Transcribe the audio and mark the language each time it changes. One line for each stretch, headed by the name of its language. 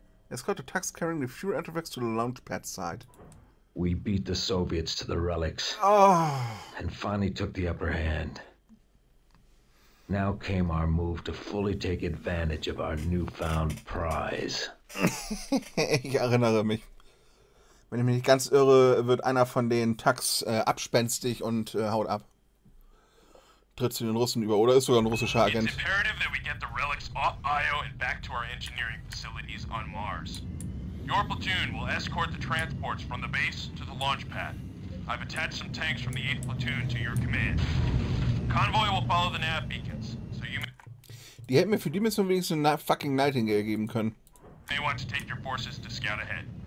English: Escort a tax carrying the fuel artifacts to the launch pad site. We beat the Soviets to the relics. Oh. And finally took the upper hand. Now came our move to fully take advantage of our newfound prize.
German: Ich erinnere mich. Wenn ich mich nicht ganz irre, wird einer von den Tugs abspenstig und haut ab. Tritt zu den Russen über oder ist sogar ein russischer Agent.
English: It's imperative that we get the relics off Io and back to our engineering facilities on Mars. Your platoon will escort the transports from the base to the launch pad. I've attached some tanks from the 8th platoon to your command. Convoy will follow the nav beacons, so you may...
German: Die hätten mir für die Mission wenigstens eine fucking Nightingale geben können.
English: They want to take your forces to scout ahead.